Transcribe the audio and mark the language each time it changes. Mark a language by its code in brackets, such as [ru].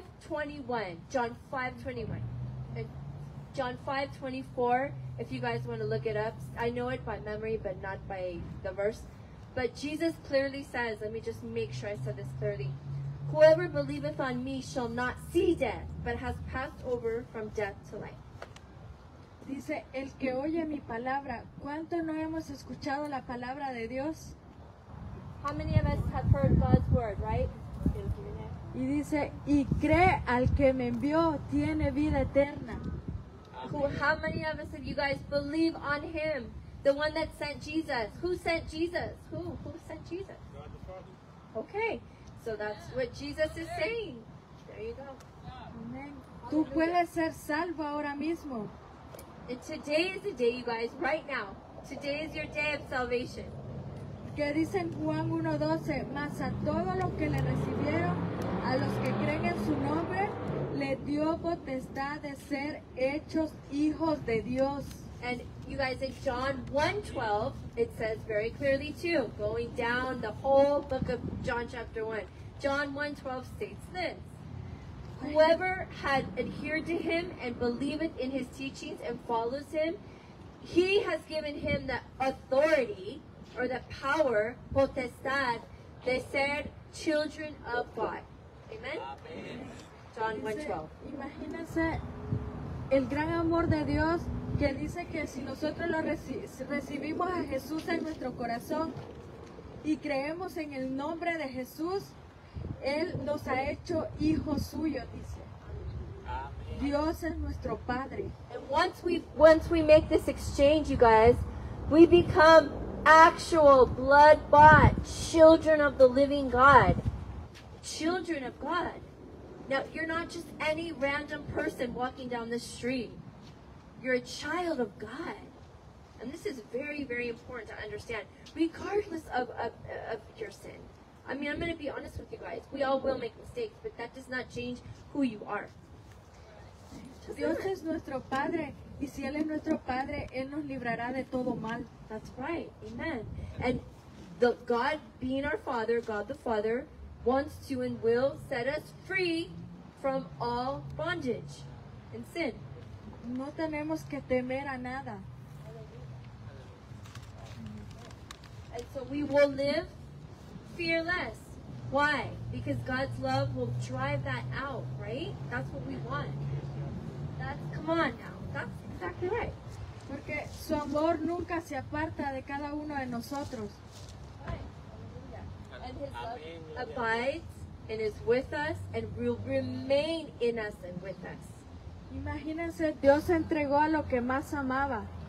[en] 5:21. John 5:24, if you guys want to look it up. I know it by memory, but not by the verse. But Jesus clearly says, let me just make sure I said this clearly. Whoever believeth on me shall not see death, but has passed over from death to life. [es] Dice, el que oye mi palabra, ¿cuánto no hemos escuchado la palabra de Dios? [en] How many of us have heard God's word, right? [es] Y dice, y cree al que me envió, tiene vida eterna. [en] How many of us have you guys believe on him? The one that sent Jesus. Who sent Jesus? Who sent Jesus? God the Father. Okay. So that's what Jesus is saying. There you go. Amen. [es] Tú puedes ser salvo ahora mismo. [en] And today is the day, you guys, right now. Today is your day of salvation. [es] Que dicen Juan 1:12, mas a todos los que le recibieron, a los que creen en su nombre, le dio potestad de ser hechos hijos de Dios. [en] And you guys, in John 1:12, it says very clearly too, going down the whole book of John chapter 1. John 1:12 states this. Whoever had adhered to him and believeth in his teachings and follows him, he has given him the authority or the power, [es] potestad, de ser [en] children of God. Amen? Amen. John 1:12. [es] Imagínense el gran amor de Dios que dice que si nosotros lo recibimos a Jesús en nuestro corazón y creemos en el nombre de Jesús, Él nos ha hecho hijo suyo, dice. Amen. Dios es nuestro Padre. [en] And once we make this exchange, you guys, we become actual blood-bought children of the living God. Children of God. Now, you're not just any random person walking down the street. You're a child of God. And this is very, very important to understand, regardless of your sin. I mean, I'm going to be honest with you guys. We all will make mistakes, but that does not change who you are. [es] Dios es nuestro Padre, y si Él es nuestro Padre, Él nos librará de todo mal. [en] That's right. Amen. And the God being our Father, God the Father, wants to and will set us free from all bondage and sin. [es] No tenemos que temer a nada. [en] And so we will live fearless. Why? Because God's love will drive that out, right? That's what we want. That's, come on now. That's exactly right. [es] Porque su amor nunca se aparta de cada uno de nosotros. [en] And His love abides and is with us and will remain in us and with us. [es] Imagínense, Dios entregó a lo que más amaba.